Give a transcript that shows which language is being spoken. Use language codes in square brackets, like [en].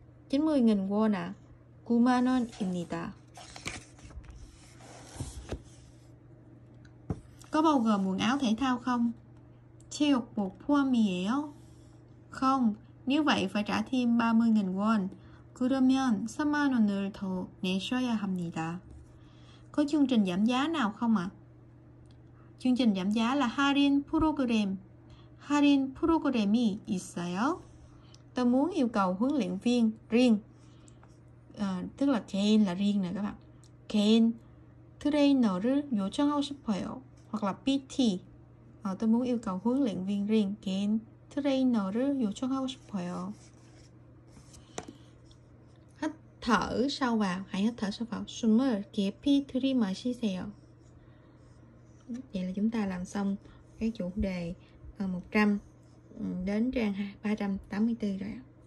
[vi] 90.000 won ạ. [ko] 9만 원입니다. [vi] Có bao gồm quần áo thể thao không? [ko] 체육복 포함이에요? [vi] Không, nếu vậy phải trả thêm 30.000 won. [ko] 그러면 3만 원을 더 내셔야 합니다. [vi] Có chương trình giảm giá nào không ạ? Chương trình giảm giá là [ko] 할인 프로그램. 할인 프로그램이 있어요? [vi] Tôi muốn yêu cầu huấn luyện viên riêng. Tức là 개인 là riêng nè các bạn. [ko] 개인 트레이너를 요청하고 싶어요. [vi] Hoặc là PT. Tôi muốn yêu cầu huấn luyện viên riêng. [ko] 개인 트레이너를 요청하고 싶어요. [vi] Thở sâu vào, hãy hít thở sâu vào. [ko] 숨을 깊이 들이마시세요. [vi] Vậy là chúng ta làm xong cái chủ đề 100 đến trang 384 rồi ạ.